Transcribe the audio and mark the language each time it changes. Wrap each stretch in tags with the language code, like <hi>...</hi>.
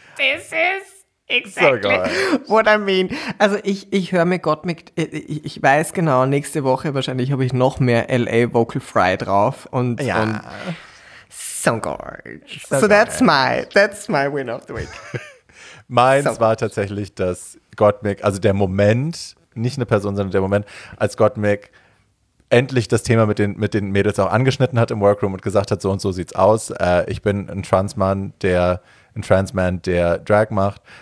<en>This is exactly so what I mean.</en> <de>Also ich höre mir Gottmik, ich weiß genau, nächste Woche wahrscheinlich habe ich noch mehr LA Vocal Fry drauf. Und, ja. Und so gorge.</de> <en>So that's my win of the week.</en> <de>Meins so war tatsächlich, dass Gottmik, also der Moment, nicht eine Person, sondern der Moment, als Gottmik endlich das Thema mit den Mädels auch angeschnitten hat im Workroom und gesagt hat, so und so sieht's aus. Ich bin ein Transman, der Drag macht.</de>